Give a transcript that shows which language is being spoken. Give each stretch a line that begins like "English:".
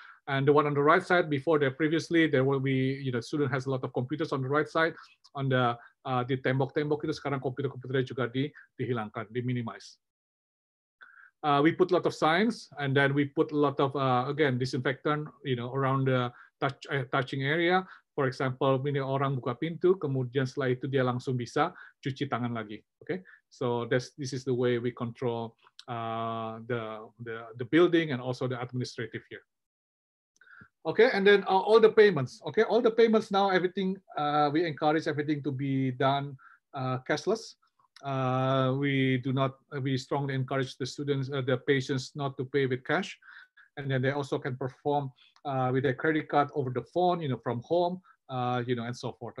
English: And the one on the right side, before there previously there will be, you know, student has a lot of computers on the right side, on the
Indonesian: di tembok-tembok itu sekarang komputer-komputernya juga dihilangkan, diminimize.
English: We put a lot of signs, and then we put a lot of again disinfectant, you know, around the touching area.
Indonesian: For example, ini orang buka pintu, kemudian setelah itu dia langsung bisa cuci tangan lagi.
English: Okay, so this is the way we control the building and also the administrative here. Okay, and then all the payments. Okay, all the payments now, everything we encourage everything to be done cashless. We strongly encourage the students, the patients, not to pay with cash, and then they also can perform with their credit card over the phone, you know, from home, you know, and so forth.